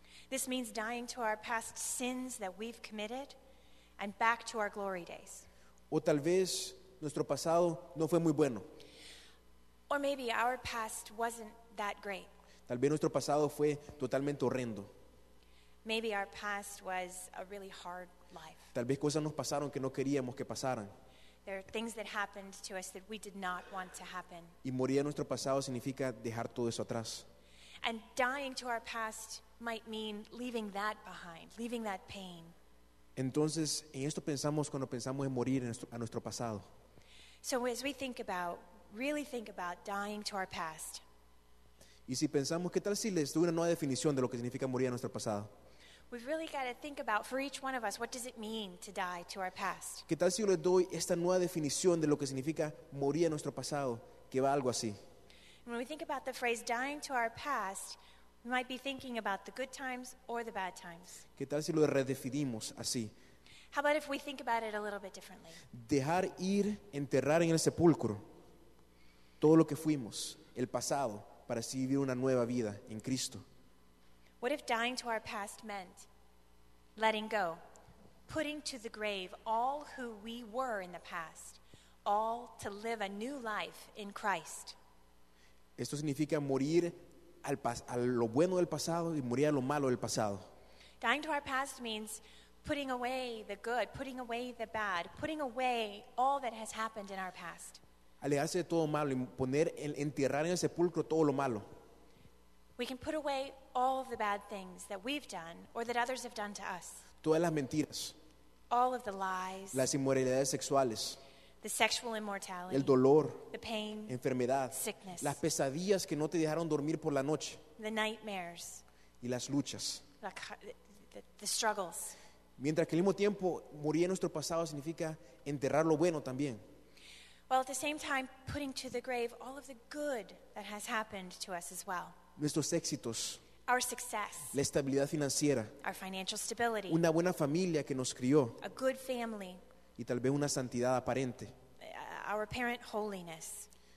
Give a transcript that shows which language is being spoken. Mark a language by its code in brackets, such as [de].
[en] This means dying to our past sins that we've committed and back to our glory days. [es] O tal vez nuestro pasado no fue muy bueno. [en] Or maybe our past wasn't that great. [es] Tal vez nuestro pasado fue totalmente horrendo. [en] Maybe our past was a really hard life. [es] Tal vez cosas nos pasaron que no queríamos que pasaran. [en] There are things that happened to us that we did not want to happen. [es] Y morir a nuestro pasado significa dejar todo eso atrás. [en] And dying to our past might mean leaving that behind, leaving that pain. [es] Entonces, en esto pensamos cuando pensamos en morir a nuestro pasado. [en] So as we think about, really think about dying to our past. [es] Y si pensamos, ¿qué tal si les doy una nueva definición de lo que significa morir a nuestro pasado? [en] We've really got to think about, for each one of us, what does it mean to die to our past? [es] ¿Qué tal si yo les doy esta nueva definición de lo que significa morir a nuestro pasado, que va algo así? [en] When we think about the phrase dying to our past, we might be thinking about the good times or the bad times. [es] ¿Qué tal si lo redefinimos así? [en] How about if we think about it a little bit differently? [es] Dejar ir, enterrar en el sepulcro todo lo que fuimos, el pasado, para así vivir una nueva vida en Cristo. [en] What if dying to our past meant letting go, putting to the grave all who we were in the past, all to live a new life in Christ? [es] Esto significa morir a lo bueno del pasado y morir a lo malo del pasado. [en] Dying to our past means putting away the good, putting away the bad, putting away all that has happened in our past. [es] Alejarse de todo malo y poner enterrar en el sepulcro todo lo malo. [en] We can put away all of the bad things that we've done or that others have done to us. [es] Todas las mentiras. [en] All of the lies. [es] Las inmoralidades sexuales. [en] The sexual immortality. [es] El dolor. [en] The pain. [es] Enfermedad. [en] Sickness. [es] Las pesadillas que no te dejaron dormir por la noche. [en] The nightmares. [es] Y las luchas. [en] The struggles. [es] Mientras que al mismo tiempo morir en nuestro pasado significa enterrar lo bueno también. [en] While at the same time putting to the grave all of the good that has happened to us as well. [es] Nuestros éxitos. [en] Our success. [es] La estabilidad financiera. [en] Our financial stability. [es] Una buena familia que nos crió. [en] A good family. [es] Y tal vez una santidad aparente. [en] Our apparent holiness.